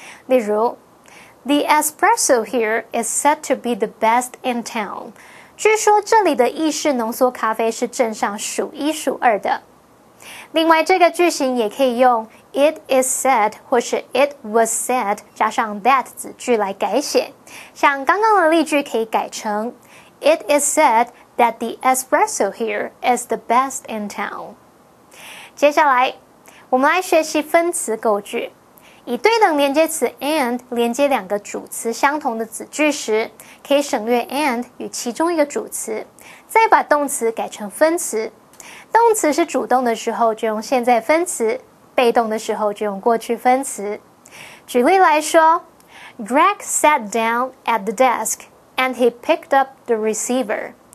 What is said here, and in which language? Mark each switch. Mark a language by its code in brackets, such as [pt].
[zh] 例如 [en] The espresso here is said to be the best in town. [zh] 据说这里的意式浓缩咖啡是镇上数一数二的。另外这个句型也可以用 [en] it is said [zh] 或是 [en] it was said [zh] 加上 that 子句来改写，像刚刚的例句可以改成 [en] it is said that the espresso here is the best in town。 [zh] 接下来我们来学习分词构句，以对等连接词 and 连接两个主词相同的子句时，可以省略 and 与其中一个主词，再把动词改成分词。动词是主动的时候就用现在分词，被动的时候就用过去分词。举例来说 [en] Greg sat down at the desk and he picked up the receiver.